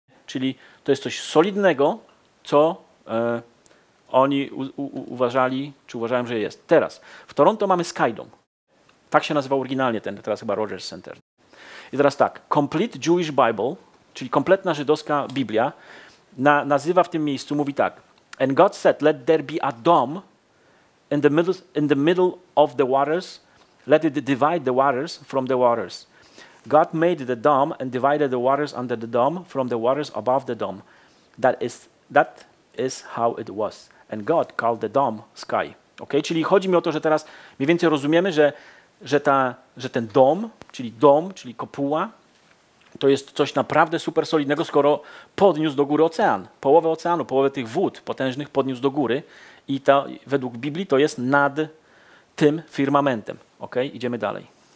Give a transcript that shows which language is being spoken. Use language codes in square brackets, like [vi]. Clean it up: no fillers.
[pl] Czyli to jest coś solidnego, co oni uważali, czy uważałem, że jest. Teraz, w Toronto mamy Skydome. Tak się nazywał oryginalnie ten, teraz chyba Rogers Center. I teraz tak, Complete Jewish Bible, czyli kompletna żydowska Biblia, nazywa w tym miejscu, mówi tak. [en] And God said, let there be a dome in the middle of the waters, let it divide the waters from the waters. God made the dome and divided the waters under the dome from the waters above the dome. That is how it was. And God called the dome sky. Okay? [pl] Czyli chodzi mi o to, że teraz mniej więcej rozumiemy, że ten dom, czyli kopuła, to jest coś naprawdę super solidnego, skoro podniósł do góry ocean. Połowę oceanu, połowę tych wód potężnych podniósł do góry i to według Biblii to jest nad tym firmamentem. Okay? Idziemy dalej.